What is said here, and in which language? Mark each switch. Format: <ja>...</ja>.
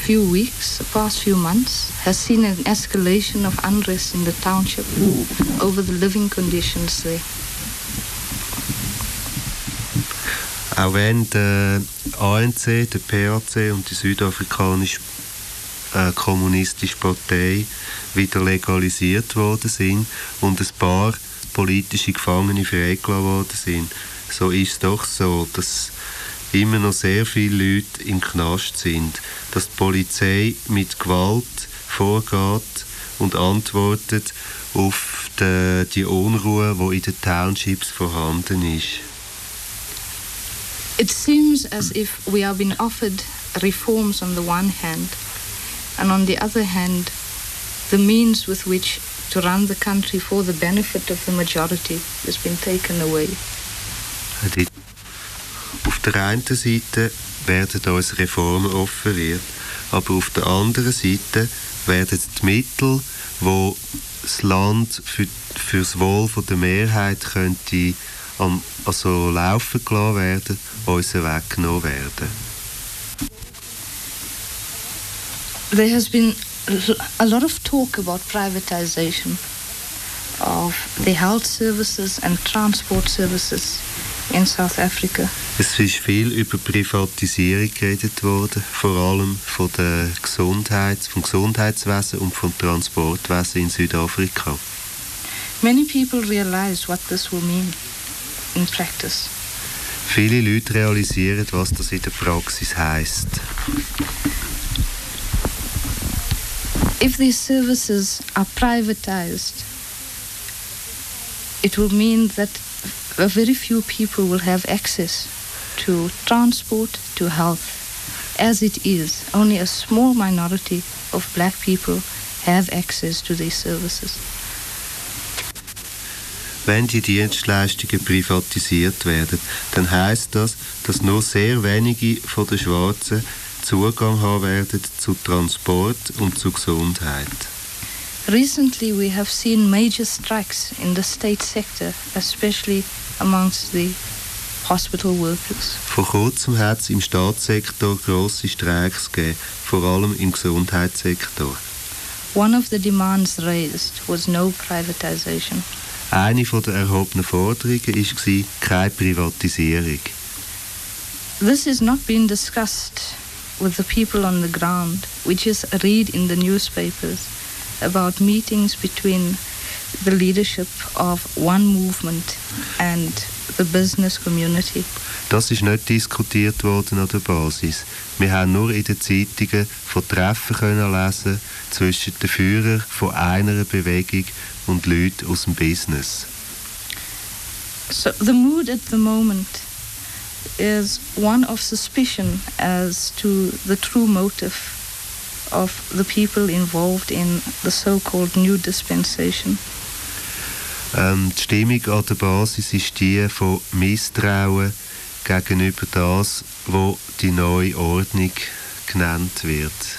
<en>The past few months, has seen an escalation of unrest in the township over the living conditions there.</en> <de>Auch wenn der ANC, der PAC und die südafrikanische kommunistische Partei wieder legalisiert worden sind und ein paar politische Gefangene freigelassen worden sind, so ist es doch so, dass immer noch sehr viele Leute im Knast sind, dass die Polizei mit Gewalt vorgeht und antwortet auf die Unruhe, die in den Townships vorhanden ist.</de> <en>It seems as if we are being offered reforms on the one hand and on the other hand the means with which to run the country for the benefit of the majority has been taken away.</en> <de>Auf der einen Seite werden uns Reformen offeriert, aber auf der anderen Seite werden die Mittel, die das Land für das Wohl der Mehrheit könnte also laufen gelassen werden, uns weggenommen werden.</de> <en>There has been a lot of talk about privatization of the health services and transport services in South Africa.</en> <de>Es ist viel über Privatisierung geredet worden, vor allem von der Gesundheit, vom Gesundheitswesen und vom Transportwesen in Südafrika.</de> <en>Many people realize what this will mean in practice.</en> <de>Viele Leute realisieren, was das in der Praxis heisst.</de> <en>If these services are privatized, it will mean that very few people will have access to transport, to health. As it is, only a small minority of black people have access to these services.</en> <de>Wenn die Dienstleistungen privatisiert werden, dann heisst das, dass nur sehr wenige von den Schwarzen Zugang haben werden zu Transport und zu Gesundheit.</de> <en>Recently we have seen major strikes in the state sector, especially amongst the hospital workers.</en> <de>Vor kurzem hat es im Staatssektor grosse Streiks gegeben, vor allem im Gesundheitssektor.</de> <en>One of the demands raised was no privatization.</en> <de>Eine von den erhobenen Forderungen war, keine Privatisierung.</de> <en>This is not being discussed with the people on the ground. We just read in the newspapers about meetings between the leadership of one movement and the business community.</en> <de>Das ist nicht diskutiert worden an der Basis. Wir haben nur in den Zeitungen von Treffen können lesen zwischen den Führern von einer Bewegung und Leuten aus dem Business.</de> <en>So the mood at the moment is one of suspicion as to the true motive of the people involved in the so-called new dispensation.</en> <de>Die Stimmung an der Basis ist die von Misstrauen gegenüber das, wo die neue Ordnung genannt wird.</de>